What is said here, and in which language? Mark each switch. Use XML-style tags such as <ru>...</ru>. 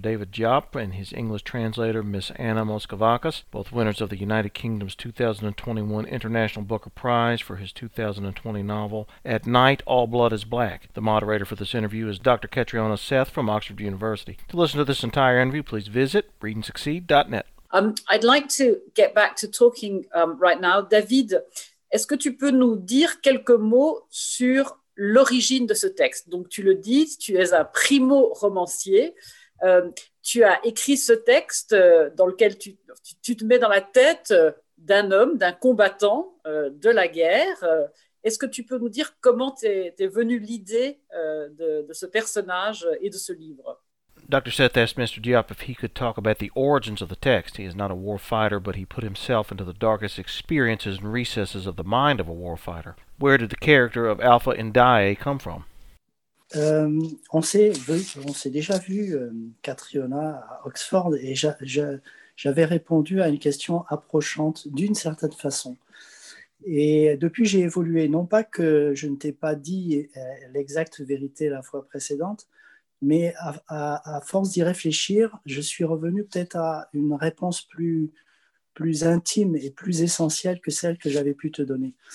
<en>David Diop and his English translator Miss Anna Moscovakis, both winners of the United Kingdom's 2021 International Booker Prize for his 2020 novel At Night All Blood is Black. The moderator for this interview is Dr. Catriona Seth from Oxford University. To listen to this entire interview, please visit readandsucceed.net. I'd like to get back to talking right now.</en> <fr>David, est-ce que tu peux nous dire quelques mots sur l'origine de ce texte? Donc, tu le dis, tu es un primo-romancier. Tu as écrit ce texte dans lequel tu te mets dans la tête d'un homme, d'un combattant de la guerre. Est-ce que tu peux nous dire comment t'es venue l'idée de ce personnage et de ce livre?</fr> <en>Dr. Seth asked Mr. Diop if he could talk about the origins of the text. He is not a war fighter, but he put himself into the darkest experiences and recesses of the mind of a war fighter. Where did the character of Alpha Ndiaye come from?</en> <fr>On s'est déjà vu, Catriona, à Oxford, et j'avais répondu à une question approchante d'une certaine façon. Et depuis, j'ai évolué. Non pas que je ne t'ai pas dit l'exacte vérité la fois précédente, mais à force d'y réfléchir, je suis revenu peut-être à une réponse plus intime et plus essentielle que celle que j'avais pu te donner.</fr>